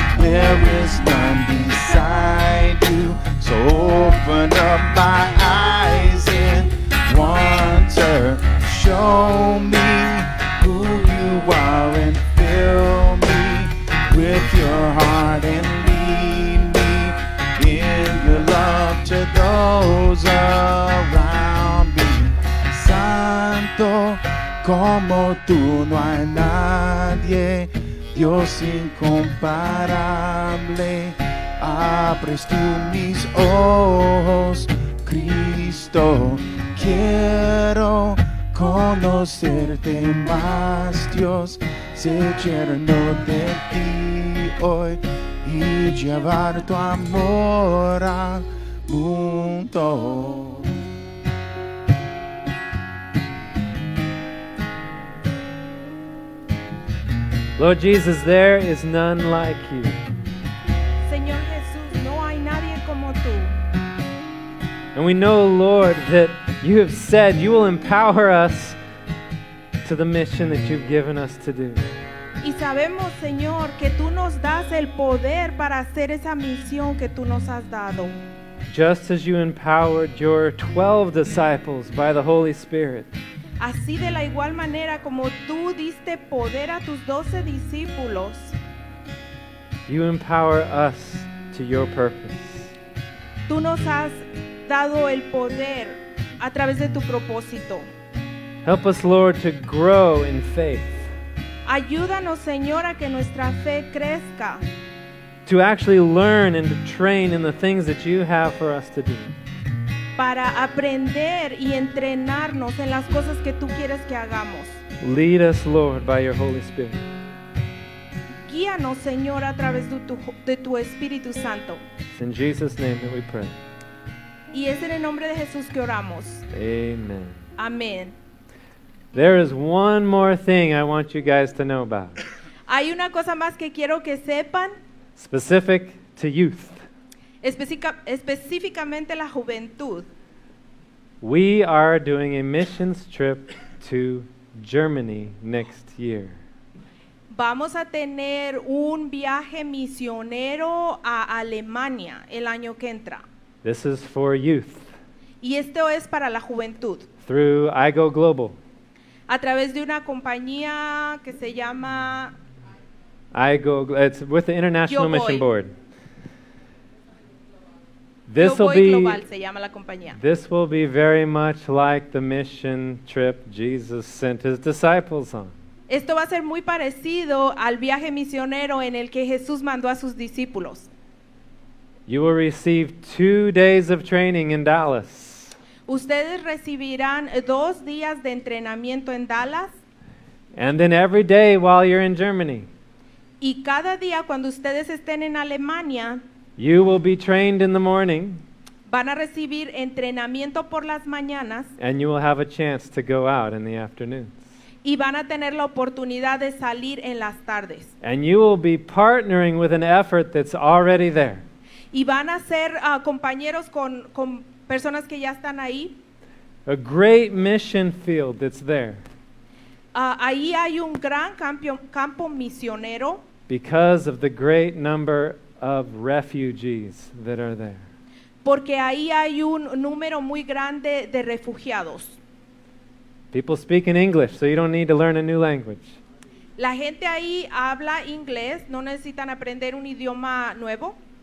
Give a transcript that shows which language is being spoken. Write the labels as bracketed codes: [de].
[en] There is none beside you. So open up my eyes in wonder. Show me who you are and fill me with your heart and lead me in your love to those around me. [es] Santo como tú, no hay nadie, Dios incomparable. Abres tú mis ojos, Cristo. Quiero conocerte más, Dios, sé lleno de ti hoy y llevar tu amor al mundo. [en] Lord Jesus, there is none like you. [es] Señor Jesús, no hay nadie como tú. [en] And we know, Lord, that you have said you will empower us to the mission that you've given us to do. [es] Y sabemos, Señor, que tú nos das el poder para hacer esa misión que tú nos has dado. [en] Just as you empowered your 12 disciples by the Holy Spirit. [es] Así de la igual manera como tú diste poder a tus 12 discípulos. [en] You empower us to your purpose. [es] Tú nos has dado el poder a través de tu propósito. [en] Help us, Lord, to grow in faith. [es] Ayúdanos, Señor, a que nuestra fe crezca. [en] To actually learn and to train in the things that you have for us to do. [es] Para aprender y entrenarnos en las cosas que tú quieres que hagamos. [en] Lead us, Lord, by your Holy Spirit. [es] Guíanos, Señor, a través de tu Espíritu Santo. [en] It's in Jesus' name that we pray. [es] Y es en el nombre de Jesús que oramos. [en] Amen. [es] Amen. [en] There is one more thing I want you guys to know about. [es] Hay una cosa más que quiero que sepan. [en] Specific to youth. [es] Específicamente la juventud. [en] We are doing a missions trip to Germany next year. [es] Vamos a tener un viaje misionero a Alemania el año que entra. [en] This is for youth. [es] Y esto es para la juventud. [en] Through IGO Global. [es] A través de una compañía que se llama [en] IGO, it's with the International Yo Mission Board. This will be global, [es] se llama la compañía. [en] This will be very much like the mission trip Jesus sent his disciples on. [es] Esto va a ser muy parecido al viaje misionero en el que Jesús mandó a sus discípulos. [en] You will receive 2 days of training in Dallas. [es] Ustedes recibirán 2 días de entrenamiento en Dallas. [en] And then every day while you're in Germany. [es] Y cada día cuando ustedes estén en Alemania. [en] You will be trained in the morning. [es] Van a recibir entrenamiento por las mañanas. [en] And you will have a chance to go out in the afternoons. [es] Y van a tener la oportunidad de salir en las tardes. [en] And you will be partnering with an effort that's already there. [es] Y van a ser compañeros con personas que ya están ahí. [en] A great mission field that's there. [es] Ahí hay un gran campo misionero. [en] Because of the great number of refugees that are there. [es] Porque ahí hay un número muy grande de refugiados. [en] People speak in English, so you don't need to learn a new language. [es] La gente ahí habla inglés, no necesitan aprender un idioma nuevo.